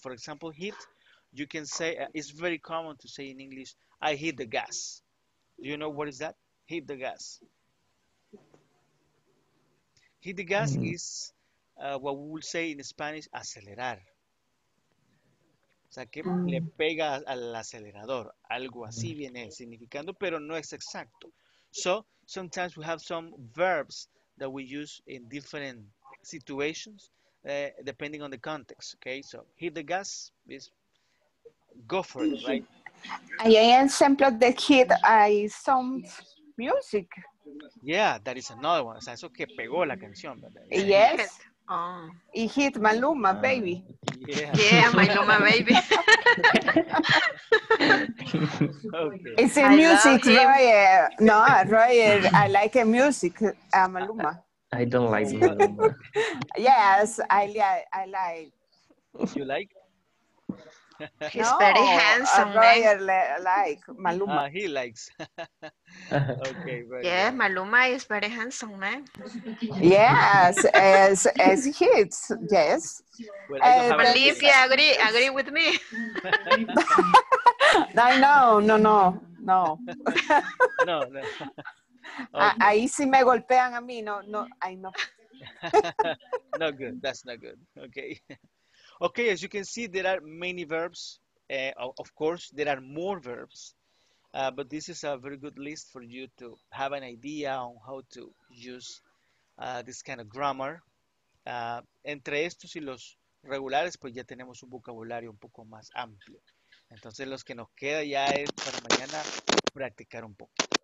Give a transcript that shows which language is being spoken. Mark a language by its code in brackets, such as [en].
[en] For example, hit, you can say, it's very common to say in English, I hit the gas. Do you know what is that? Hit the gas. Hit the gas is what we will say in Spanish, acelerar. [es] O sea, que le pega al acelerador. Algo así viene significando, pero no es exacto. [en] So, sometimes we have some verbs that we use in different situations, depending on the context, okay? So, hit the gas is go for it, right? [es] Y hay ejemplos de hit, hay [en] some music. Yeah, that is another one. [es] O sea, eso que pegó la canción, ¿verdad? [en] Yes. Oh. [es] Y [en] hit Maluma, baby. Yeah, yeah Maluma, baby. Okay. It's a music, right? No, right. I like a music, Maluma. I don't like Maluma. Yes, I like. You like? He's no, very handsome. Royer like Maluma. He likes. Okay, right. Yeah, right. Maluma is very handsome, man. Yes, as hits, yes. Well, Olivia, agree with me. No. No. Okay. [es] Ahí sí me golpean a mí, no, ahí no. [en] Not good, that's not good, okay. Okay, as you can see, there are many verbs. Of course, there are more verbs, but this is a very good list for you to have an idea on how to use this kind of grammar. [es] Entre estos y los regulares, pues ya tenemos un vocabulario un poco más amplio. Entonces, los que nos queda ya es para mañana practicar un poco.